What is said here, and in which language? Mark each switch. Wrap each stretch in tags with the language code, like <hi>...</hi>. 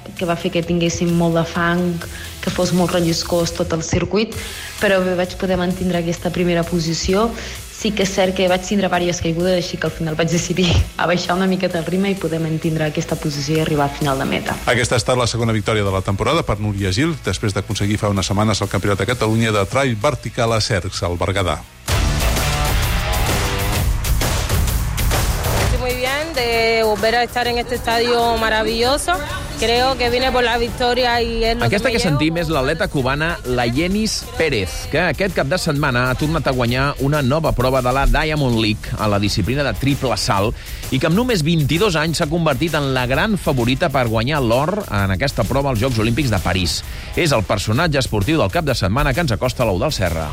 <ca>que va fer que tinguéssim molt de fang, que fos molt relliscós tot el circuit, però bé, vaig poder mantindre aquesta primera posició. Sí que és cert que vaig tindre diverses caigudes, així que al final vaig decidir abaixar una miqueta el ritme i poder mantindre aquesta posició i arribar a final de meta. Aquesta ha estat la segona victòria de la temporada per Núria Gil, després d'aconseguir fa unes setmanes el Campionat de Catalunya de Trail Vertical a Cercs, al Berguedà.</ca> <es>Estoy muy bien de volver a estar en este estadio maravilloso. Creo que viene por la victoria y es lo</es> <ca>aquesta que sentim és l'atleta cubana, la Yenis Pérez, que aquest cap de setmana ha tornat a guanyar una nova prova de la Diamond League a la disciplina de triple salt i que amb només 22 anys s'ha convertit en la gran favorita per guanyar l'or en aquesta prova als Jocs Olímpics de París. És el personatge esportiu del cap de setmana que ens acosta a l'Eudal Serra.</ca>